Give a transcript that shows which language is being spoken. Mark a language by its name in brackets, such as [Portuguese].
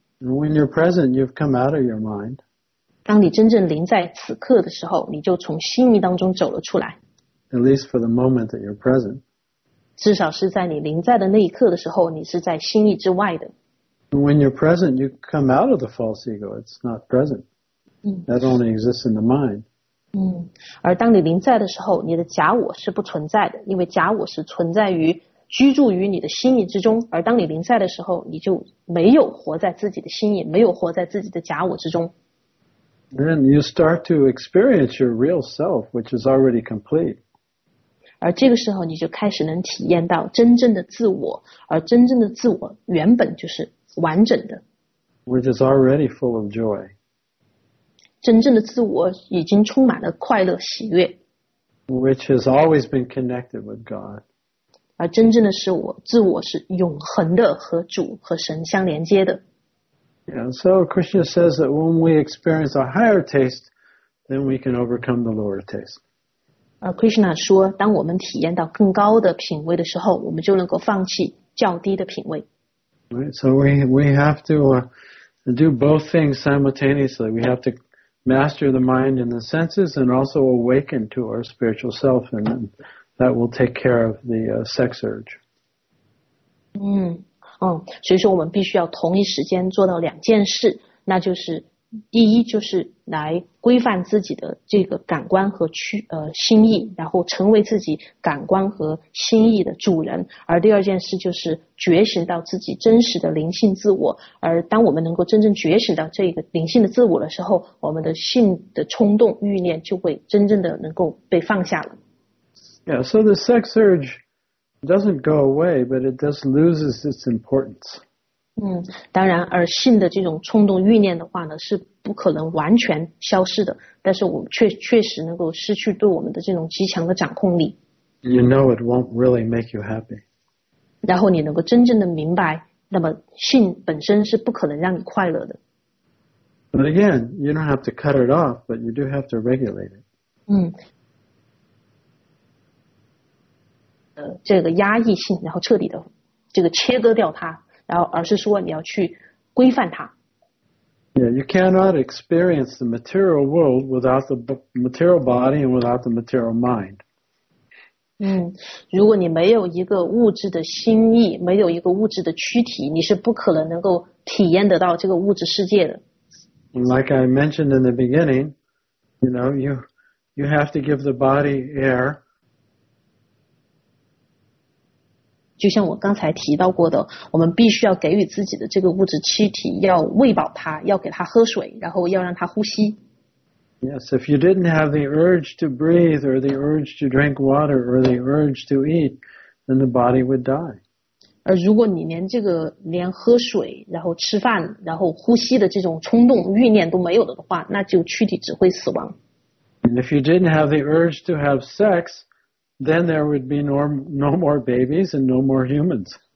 [English] ，When you're present, you've come out of your mind. [Chinese] 当你真正临在此刻的时候，你就从心意当中走了出来。 [English] At least for the moment that you're present. [Chinese] 至少是在你临在的那一刻的时候，你是在心意之外的。 [English] When you're present, you come out of the false ego. It's not present. That only exists in the mind. [Chinese] 而当你临在的时候，你的假我是不存在的，因为假我是存在于居住于你的心意之中。而当你临在的时候，你就没有活在自己的心意，没有活在自己的假我之中。 [English] Then you start to experience your real self, which is already complete. [Chinese] 而这个时候你就开始能体验到真正的自我，而真正的自我原本就是完整的。 [English] Which is already full of joy. [Chinese] 真正的自我已经充满了快乐喜悦。 [English] Which has always been connected with God. [Chinese] 而真正的自我是永恒的和主和神相连接的。 [English] And so Krishna says that when we experience a higher taste, then we can overcome the lower taste. [Chinese] Krishna 说，当我们体验到更高的品位的时候，我们就能够放弃较低的品位。 [English] Right, so we have to do both things simultaneously. We have to master the mind and the senses and also awaken to our spiritual self, and then that will take care of the sex urge. [Chinese] 所以说我们必须要同一时间做到两件事，那就是第一就是来规范自己的这个感官和心意，然后成为自己感官和心意的主人。而第二件事就是觉醒到自己真实的灵性自我。而当我们能够真正觉醒到这个灵性的自我的时候，我们的性的冲动欲念就会真正的能够被放下了。 [English] Yeah, so the sex urge doesn't go away, but it just loses its importance. [Chinese] 当然而性的这种冲动欲念的话呢是不可能完全消失的，但是我们 确实能够失去对我们的这种极强的掌控力。 [English] You know it won't really make you happy. [Chinese] 然后你能够真正的明白，那么性本身是不可能让你快乐的。 [English] But again, you don't have to cut it off, but you do have to regulate it. [Chinese] 这个压抑性，然后彻底的这个切割掉它。然后而是说你要去规范它。 [English] Yeah, you cannot experience the material world without the material body and without the material mind. [Chinese] 如果你没有一个物质的心意，没有一个物质的躯体，你是不可能能够体验得到这个物质世界的。 [English] Like I mentioned in the beginning, you know, you have to give the body air. [Chinese] 就像我刚才提到过的，我们必须要给予自己的这个物质躯体，要喂饱它，要给它喝水，然后要让它呼吸。 [English] Yes, if you didn't have the urge to breathe, or the urge to drink water, or the urge to eat, then the body would die. [Chinese] 而如果你连喝水，然后吃饭，然后呼吸的这种冲动欲念都没有了的话，那就躯体只会死亡。 [English] And if you didn't have the urge to have sex,Then there would be no more babies and no more humans.